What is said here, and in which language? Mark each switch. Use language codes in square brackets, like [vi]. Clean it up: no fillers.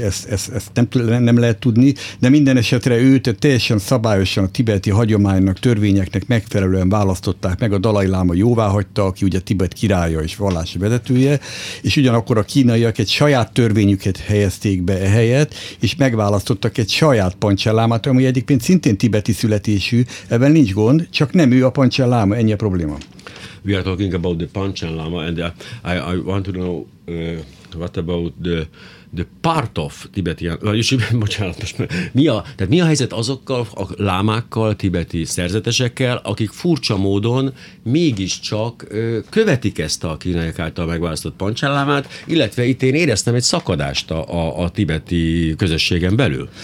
[hu] Ezt nem lehet tudni. De minden esetre őt teljesen szabályosan a tibeti hagyománynak, törvényeknek megfelelően választották meg. A Dalai Láma jóvá hagyta, aki ugye Tibet királya és vallási vezetője, és ugyanakkor a kínaiak egy saját törvényüket helyezték be ehelyett, és megválasztottak egy saját Pancsen lámát, ami egyébként szintén tibeti születésű, ebben nincs gond, csak nem ő a Pancsen láma, ennyi a probléma. [en] We are talking about the Pancsen Lama, and I want to know what about the the part of Tibetian, [hu] vagyis, bocsánat, most, mi a helyzet azokkal a lámákkal, tibeti szerzetesekkel, akik furcsa módon mégiscsak követik ezt a kínaiak által megválasztott Pancsen lámát, illetve itt én éreztem egy szakadást a tibeti közösségen belül.